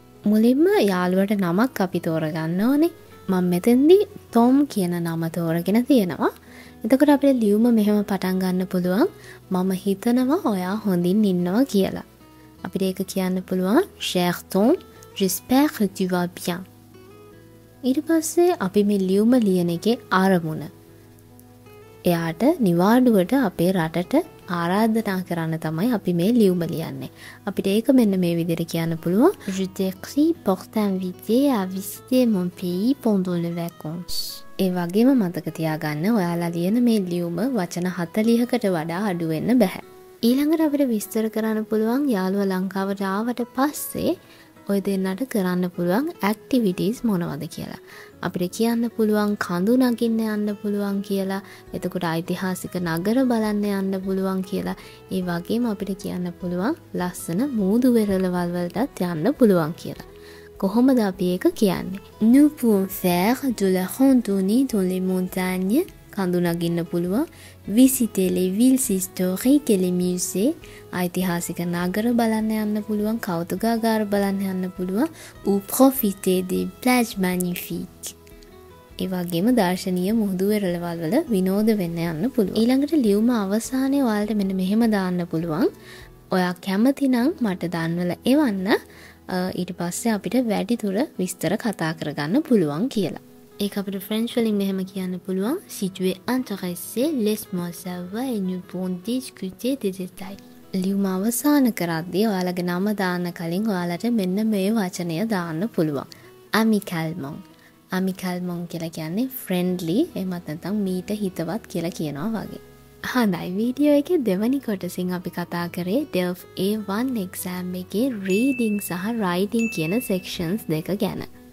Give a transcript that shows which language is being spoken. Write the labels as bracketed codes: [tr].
[si] මුලින්ම යාළුවට නමක් අපි තෝරගන්න ඕනේ. මම මෙතෙන්දී Tom කියන නම තෝරගෙන තියෙනවා. එතකොට අපිට ලියුම මෙහෙම පටන් ගන්න පුළුවන්. මම හිතනවා ඔයා හොඳින් ඉන්නවා කියලා. අපිට ඒක කියන්න පුළුවන් [fr] Cher Tom, j'espère que tu vas bien. [si] ඊට පස්සේ අපි මේ ලියුම ලියන එකේ ආරමුණ. එයාට නිවාඩුවට අපේ රටට ආරාධනා කරන්න තමයි අපි මේ ලියුම ලියන්නේ. අපිට ඒක මෙන්න මේ විදිහට කියන්න පුළුවන්. [fr] Je t'écris pour t'inviter à visiter mon pays pendant les vacances. [si] ඒ වගේම මතක තියාගන්න ඔයාලා ලියන මේ ලියුම වචන 40කට වඩා අඩු වෙන්න බෑ. ඊළඟට අපිට විස්තර කරන්න පුළුවන් යාළුවා ලංකාවට ආවට පස්සේ ඔය දෙන්නට කරන්න පුළුවන් activities මොනවද කියලා. අපිට කියන්න පුළුවන් කඳු නගින්න යන්න පුළුවන් කියලා. එතකොට ඓතිහාසික නගර බලන්න යන්න පුළුවන් කියලා. ඒ වගේම අපිට කියන්න පුළුවන් ලස්සන මූදු වෙරළවල් වලටත් යන්න පුළුවන් කියලා. කොහොමද අපි ඒක කියන්නේ? [fr] Nous pouvons faire de la randonnée dans les montagnes. [si] කඳු නගින්න පුළුවන්. [fr] Visiter les villes historiques et les musées. [si] ඓතිහාසික නගර බලන්න යන්න පුළුවන්, කෞතුකාගාර බලන්න යන්න පුළුවන්. [fr] Ou profiter des plages magnifiques. [si] ඒ වගේම දාර්ශනීය මුහුදු වෙරළවල් වල විනෝද වෙන්න යන්න පුළුවන්. ඊළඟට ලියුම අවසානයේ ඔයාලට මෙන්න මෙහෙම දාන්න පුළුවන්. ඔයා කැමතිනම් මට දන්වලා එවන්න. ඊට පස්සේ අපිට වැඩිදුර විස්තර කතා කරගන්න පුළුවන් කියලා. ඒක අපිට ෆ්‍රෙන්ච් වලින් මෙහෙම කියන්න පුළුවන්. [fr] Si tu es intéressé, laisse-moi savoir et nous pouvons discuter des détails. [si] ලියුම අවසාන කරද්දී ඔයාලගේ නම දාන්න කලින් ඔයාලට මෙන්න මේ වචනය දාන්න පුළුවන්. Amicalement. Amicalement කියලා කියන්නේ friendly, එහෙමත් නැත්නම් මීට හිතවත් කියලා කියනවා වගේ. හඳයි, වීඩියෝ එකේ දෙවනි කොටසින් අපි කතා කරේ DELF A1 exam එකේ reading සහ writing කියන sections දෙක ගැන.